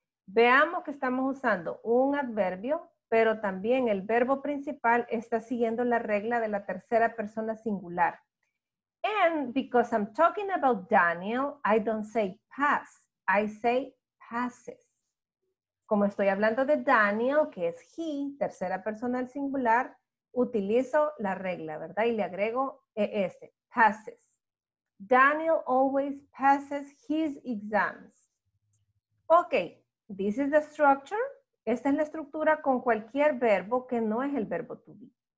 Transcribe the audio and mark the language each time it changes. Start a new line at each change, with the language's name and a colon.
Spanish: Veamos que estamos usando un adverbio, pero también el verbo principal está siguiendo la regla de la tercera persona singular.
English: And because I'm talking about Daniel, I don't say pass, I say passes.
Spanish: Como estoy hablando de Daniel, que es he, tercera persona al singular, utilizo la regla, ¿verdad? Y le agrego es,
English: passes. Daniel always passes his exams. Okay, this is the structure.
Spanish: Esta es la estructura con cualquier verbo que no es el verbo to be.